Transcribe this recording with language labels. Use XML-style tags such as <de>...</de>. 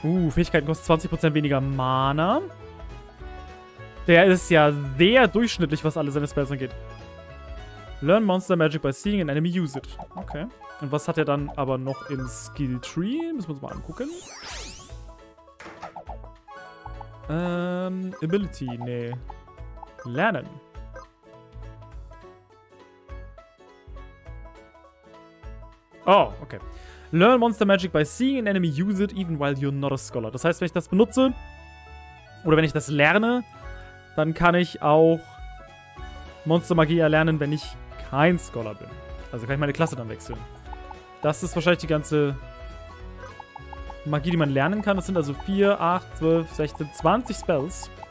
<de>Fähigkeiten kostet 20% weniger Mana. Der ist ja sehr durchschnittlich, was alle seine Spells angeht.</de> <en>Learn Monster Magic by seeing an enemy use it. Okay.</en> <de>Und was hat er dann aber noch im Skill Tree? Müssen wir uns mal angucken. Ability. Nee. Lernen. Oh, okay.</de> <en>Learn Monster Magic by seeing an enemy use it even while you're not a scholar.</en> <de>Das heißt, wenn ich das benutze oder wenn ich das lerne, dann kann ich auch Monstermagie erlernen, wenn ich kein Scholar bin. Also kann ich meine Klasse dann wechseln. Das ist wahrscheinlich die ganze Magie, die man lernen kann. Das sind also 4, 8, 12, 16, 20 Spells.</de>